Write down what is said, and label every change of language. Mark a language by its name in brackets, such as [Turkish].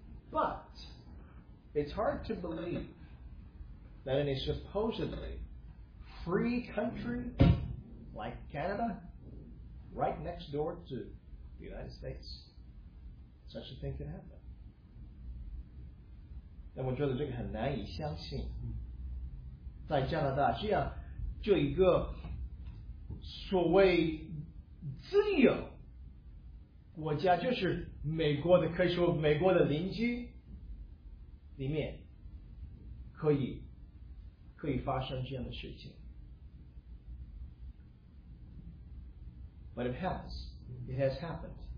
[English] But it's hard to believe that in a supposedly free country like Canada, right next door to the United States, such a thing can happen. [Chinese] 但我觉得这个很难以相信，在加拿大这样就一个所谓自由国家，就是美国的，可以说美国的邻居里面，可以发生这样的事情。 [English] But it has, it has happened.